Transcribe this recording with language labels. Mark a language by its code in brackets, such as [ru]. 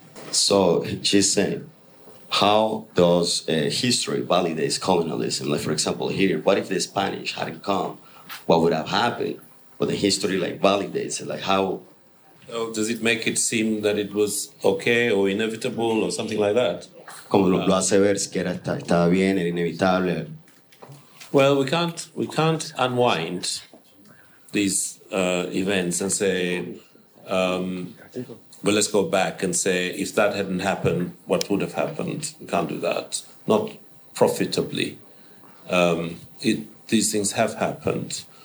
[en] So she's saying, how does history validate colonialism? Like, for example, here, what if the Spanish hadn't come? What would have happened? But the history, like, validates it. Like, how... Oh, does it make it seem that it was okay or inevitable or something like that? [es] Como lo hace ver si era, estaba bien, era inevitable. [en] Well, we can't unwind these events and say... but let's go back and say, if that hadn't happened, what would have happened? We can't do that. Not profitably. These things have happened.